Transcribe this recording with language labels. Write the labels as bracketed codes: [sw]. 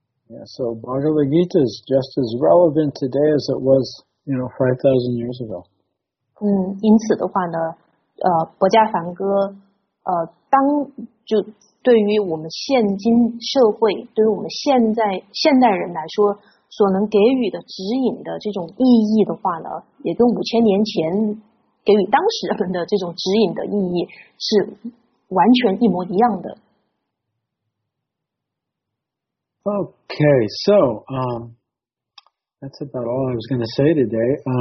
[en] Yeah, so Bhagavad Gita is just as relevant today as it was, you know, 5,000 years ago. [zh] 因此的话呢，博伽梵歌，当就对于我们现今社会，对于我们现代人来说，所能给予的指引的这种意义的话呢，也跟五千年前给予当时人的这种指引的意义是完全一模一样的。 [en] Okay, so, that's about all I was going to say today.